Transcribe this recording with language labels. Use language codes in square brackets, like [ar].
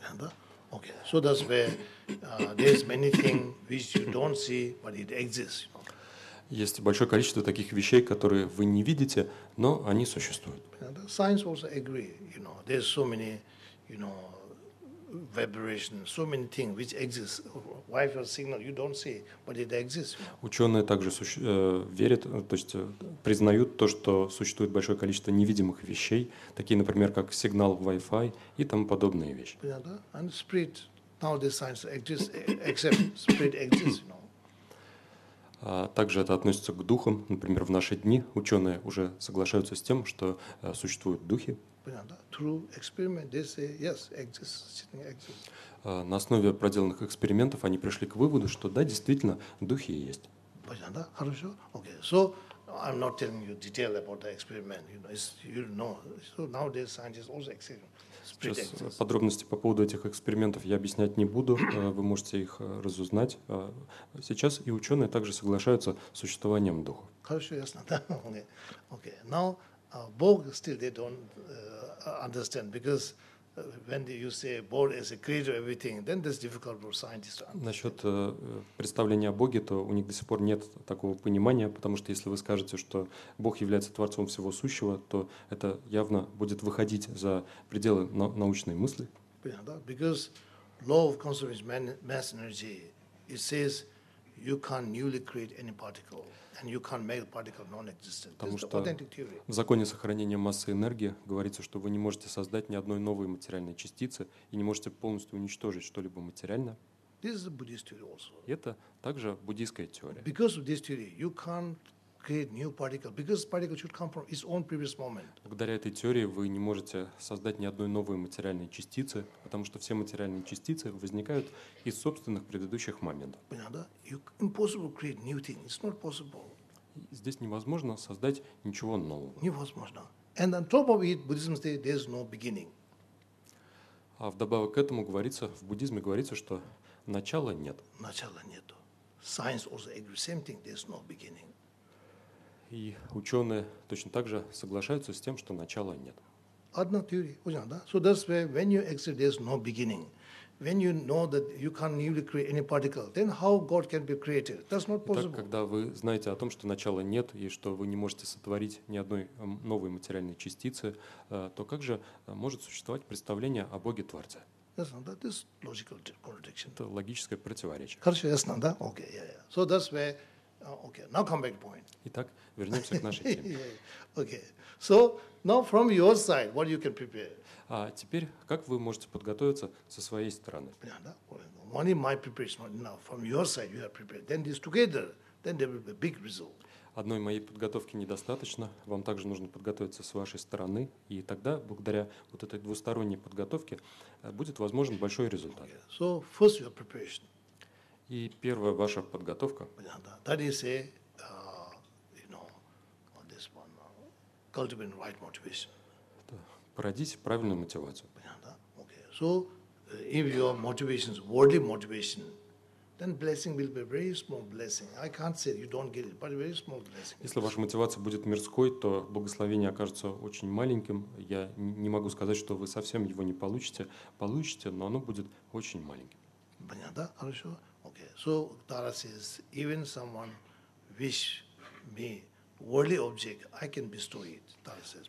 [en] Да? Okay. So that's where there's many things which you don't see, but it exists. [ru] Есть большое количество таких вещей, которые вы не видите, но они существуют. [en] The science also agree, you know, there's so many, you know, vibration, so many things which exist. Wi-Fi signal you don't see, but it exists. [ru] Ученые также верят, то есть признают то, что существует большое количество невидимых вещей, такие, например, как сигнал Wi-Fi и тому подобные вещи. Понятно? [en] And spirit, now the science exists, except spirit exists, you know. [ru] Также это относится к духам. Например, в наши дни ученые уже соглашаются с тем, что существуют духи. На основе проделанных экспериментов они пришли к выводу, что да, действительно, духи есть. Понятно? Хорошо? Okay. [en] So, I'm not telling you detail about the experiment. You know, it's, you know. So nowadays scientists also accept. [ru] Сейчас подробности по поводу этих экспериментов я объяснять не буду, вы можете их разузнать. Сейчас и ученые также соглашаются с существованием духов. Хорошо, ясно. Okay. [en] Now, Бог still they don't understand, because when you say God is a creator everything, then that's difficult for scientists to understand. [ru] Насчет представления о Боге, то у них до сих пор нет такого понимания, потому что если вы скажете, что Бог является Творцом всего сущего, то это явно будет выходить за пределы научной мысли. [en] Because law of conservation of mass energy, it says you can't newly create any particle. And you can't make particle non-existent. [ru] Потому что в законе сохранения массы энергии говорится, что вы не можете создать ни одной новой материальной частицы и не можете полностью уничтожить что-либо материально. [en] This is a Buddhist theory also. [ru] Это также буддийская теория. [en] Because of this theory, you can't create new particle, because particle should come from its own previous moment. [ru] Благодаря этой теории вы не можете создать ни одной новой материальной частицы, потому что все материальные частицы возникают из собственных предыдущих моментов. [en] Impossible create new thing. It's not possible. [ru] Здесь невозможно создать ничего нового. Невозможно. [en] And on top of it, Buddhism says there's no beginning. [ru] А вдобавок к этому говорится, в буддизме говорится, что начала нет. Начала нету. [en] Science also agrees same thing. There's no beginning. [ru] И ученые точно так же соглашаются с тем, что начала нет. Одна теория, да? [en] So that's where when you accept there's no beginning, when you know that you can't newly create any particle, then how God can be created? That's not possible. [ru] Итак, когда вы знаете о том, что начала нет и что вы не можете сотворить ни одной новой материальной частицы, то как же может существовать представление о Боге-Творце? Ясно, да? [en] This logical contradiction. [ru] Это логическое противоречие. Хорошо, ясно, да? [en] Okay, yeah, yeah. So that's where. Okay, now come back to point. [ru] Итак, вернемся к нашей теме. [en] Okay. So, now from your side, what you can prepare? [ru] А теперь, как вы можете подготовиться со своей стороны? [en] Only my preparation is enough. From your side, you have prepared. Then this together, then there will be big result. [ru] Одной моей подготовки недостаточно. Вам также нужно подготовиться с вашей стороны. И тогда, благодаря вот этой двусторонней подготовке, будет возможен большой результат. [en] Okay. So, first your preparation. [ru] И первая ваша подготовка. [en] That is a, you know, on this one, cultivating right motivation. [ru] Породить правильную мотивацию. [en] Okay. So, if your motivation is worldly motivation, then blessing will be very small blessing. I can't say you don't get it, but very small blessing. [ru] Если ваша мотивация будет мирской, то благословение окажется очень маленьким. Я не могу сказать, что вы совсем его не получите. Получите, но оно будет очень маленьким. Понятно? Хорошо. [en] Okay, so Tara says, even someone wish me worldly object, I can bestow it. Tara says,